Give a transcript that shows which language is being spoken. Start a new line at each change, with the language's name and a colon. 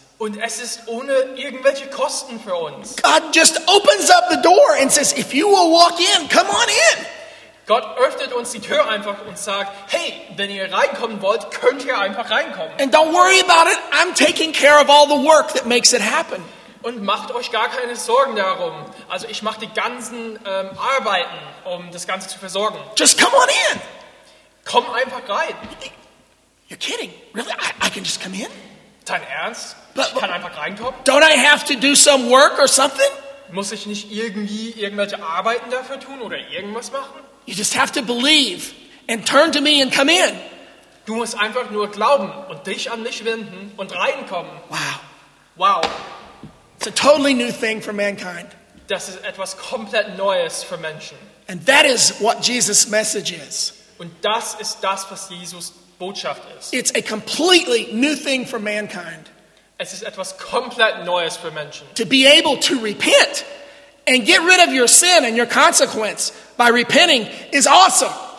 German: Und es ist ohne irgendwelche Kosten für uns.
English: God just opens up the door and says, if you will walk in, come on in.
German: Gott öffnet uns die Tür einfach und sagt, hey, wenn ihr reinkommen wollt, könnt ihr einfach reinkommen.
English: And don't worry about it. I'm taking care of all the work that makes it happen.
German: Und macht euch gar keine Sorgen darum. Also ich mache die ganzen Arbeiten, um das Ganze zu versorgen.
English: Just come on in.
German: Komm einfach rein.
English: You're kidding. Really? I can just come in?
German: Dein Ernst? Ich kann einfach reinkommen?
English: Don't I have to do some work or something?
German: Muss ich nicht irgendwelche Arbeiten dafür tun oder irgendwas machen?
English: You just have to believe and turn to me and come in.
German: Du musst einfach nur glauben und dich an mich wenden und reinkommen. Wow. Wow.
English: It's a totally new thing for mankind.
German: Das ist etwas komplett Neues für Menschen.
English: And that is what Jesus' message is.
German: Und das ist das, was Jesus' Botschaft ist.
English: It's a completely new thing for mankind.
German: Es ist etwas komplett Neues für Menschen.
English: To be able to repent and get rid of your sin and your consequence by repenting is awesome.